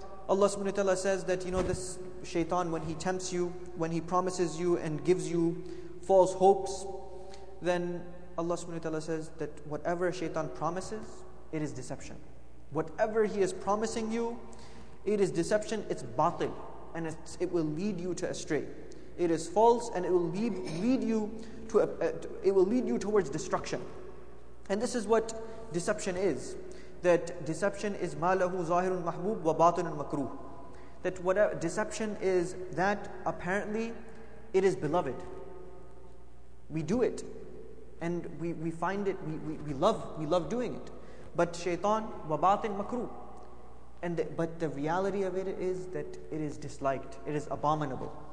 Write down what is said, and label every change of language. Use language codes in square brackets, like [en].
[en] Allah subhanahu wa ta'ala says that, you know, this shaitan, when he tempts you, when he promises you and gives you false hopes, then Allah subhanahu wa ta'ala says that whatever shaitan promises, it is deception. Whatever he is promising you, it is deception, it's batil. And it will lead you to astray. It is false and it will lead you towards destruction. And this is what deception is. That deception is [ar] ما له ظاهر محبوب وباطن مكروه. [en] That whatever deception is, that apparently it is beloved. We do it. And we find it, we love doing it. But shaitan, [ar] وباطن مكروه. [en] But the reality of it is that it is disliked, it is abominable.